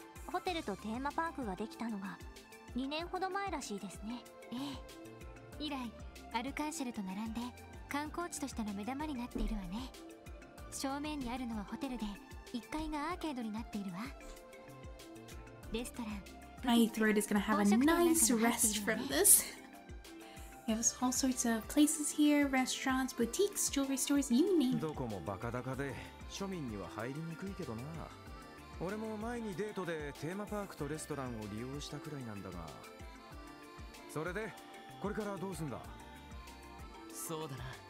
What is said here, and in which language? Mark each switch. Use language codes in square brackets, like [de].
[ja] ホテルとテーマパークができたのが2年ほど前らしいですね。ええ、以来アルカンシェルと並んで観光地としての目玉になっているわね。正面にあるのはホテルで、1階がアーケードになっているわ。レストラン、 [en] My throat is gonna have a nice rest from this. We have all sorts of places here, restaurants, boutiques, jewelry stores, you name it. [ja] どこもバカ高で庶民には入りにくいけどな。俺も前にデートでテーマパークとレストランを利用したくらいなんだが。それで、これからどうすんだ？そうだな。